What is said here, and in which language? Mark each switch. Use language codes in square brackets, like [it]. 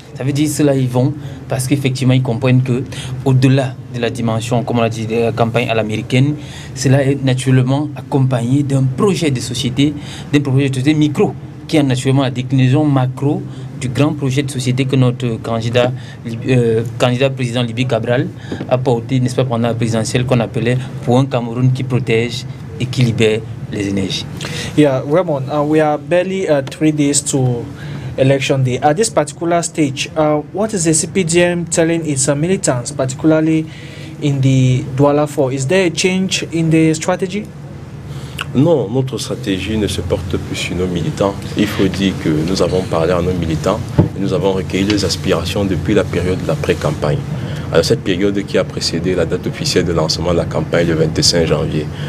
[fr] Ça veut dire que ceux-là, ils vont parce qu'effectivement, ils comprennent que au-delà de la dimension, comme on l'a dit, de la campagne à l'américaine, cela est naturellement accompagné d'un projet de société, d'un projet de société micro, qui est naturellement la déclinaison macro du grand projet de société que notre candidat président Libby Cabral a porté, n'est-ce pas, pendant la présidentielle, qu'on appelait « Pour un Cameroun qui protège et qui libère les énergies ». [en] Yeah, Raymond, we are barely 3 days to election day. At this particular stage, what is the CPDM telling its militants, particularly in the Douala 4? Is there a change in the strategy? [fr] Non, notre stratégie ne se porte plus sur nos militants. Il faut dire que nous avons parlé à nos militants et nous avons recueilli les aspirations depuis la période de la pré-campagne. Alors cette période qui a précédé la date officielle de lancement de la campagne le 25 janvier.